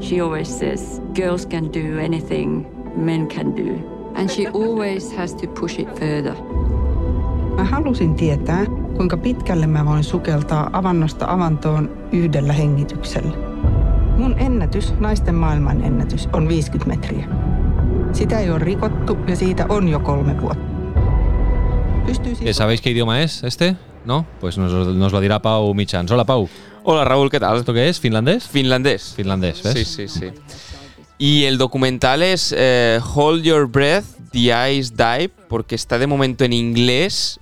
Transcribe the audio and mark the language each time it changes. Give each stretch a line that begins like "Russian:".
English: She always says girls can do anything men can do, and she always has to push it further.
Finnish: Mä halusin tietää, kuinka pitkälle mä voin sukeltaa avannosta avantoon yhdellä hengityksellä. Mun ennätys, naisten maailman ennätys, on 50 metriä. Sitä ei ole rikottu ja siitä on jo 3 vuotta.
Spanish: ¿Sabéis qué idioma es este? ¿No? Pues nos lo dirá Pau Michans. Hola, Pau. Hola, Raúl, ¿qué tal? ¿Esto qué es? ¿Finlandés? Finlandés. Finlandés, ¿ves? Sí, sí, sí. Y el documental es Hold Your Breath, The Ice Dive, porque está de momento en inglés.